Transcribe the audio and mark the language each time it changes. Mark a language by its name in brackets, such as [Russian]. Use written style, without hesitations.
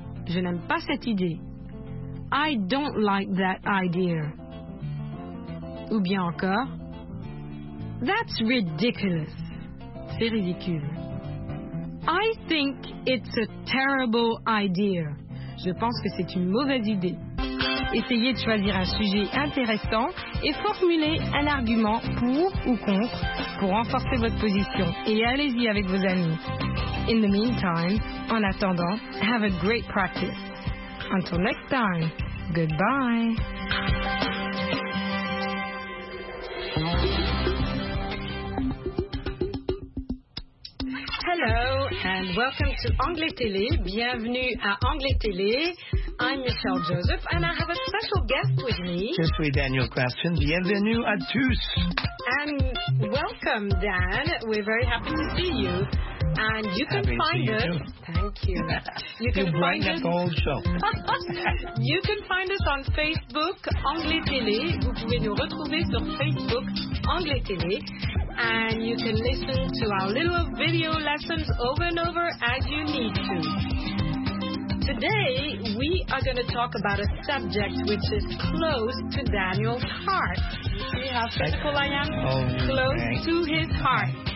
[French] Je n'aime pas cette idée. [English] I don't like that idea. [French] Ou bien encore, [English] That's ridiculous. [French] C'est ridicule. [English] I think it's a terrible idea. [French] Je pense que c'est une mauvaise idée. Essayez de choisir un sujet intéressant et formulez un argument pour ou contre pour renforcer votre position. Et allez-y avec vos amis. [English] In the meantime, [French] en attendant, [English] have a great practice. Until next time, goodbye. Hello and welcome to Anglais Télé. [French] Bienvenue à Anglais Télé. [English] I'm Michelle Joseph and I have a special guest with me. [French] Je suis Daniel Craston. Bienvenue à tous. [English] And welcome, Dan. We're very happy to see you. And you can happy find to see us. You too. Thank you. You can find us all show. You can find us on Facebook, Anglais Télé. [French] Vous pouvez nous retrouver sur Facebook, Anglais Télé. [English] And you can listen to our little video lessons over and over as you need to. Today, we are going to talk about a subject which is close to Daniel's heart. You see how physical I am? Oh, close to his heart.